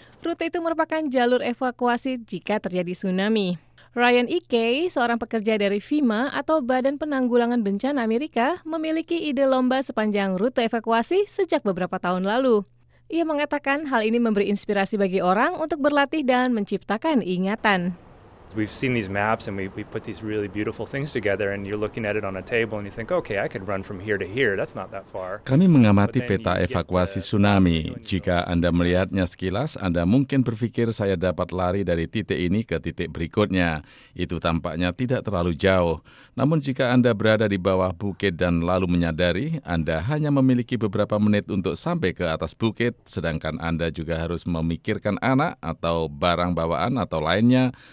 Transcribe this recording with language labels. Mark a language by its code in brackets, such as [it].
[id] Rute itu merupakan jalur evakuasi jika terjadi tsunami. Ryan Ike, seorang pekerja dari FEMA atau Badan Penanggulangan Bencana Amerika, memiliki ide lomba sepanjang rute evakuasi sejak beberapa tahun lalu. Ia mengatakan hal ini memberi inspirasi bagi orang untuk berlatih dan menciptakan ingatan. [en] We've seen these maps and we put these really beautiful things together and you're looking at it on a table and you think, okay, I could run from here to here. That's not that far. [id] Kami mengamati peta evakuasi tsunami. Jika Anda melihatnya sekilas, Anda mungkin berpikir saya dapat lari dari titik ini ke titik berikutnya. Itu tampaknya tidak terlalu jauh. Namun jika Anda berada di bawah bukit dan lalu menyadari, Anda hanya memiliki beberapa menit untuk sampai ke atas bukit, sedangkan Anda juga harus memikirkan anak atau barang bawaan atau lainnya.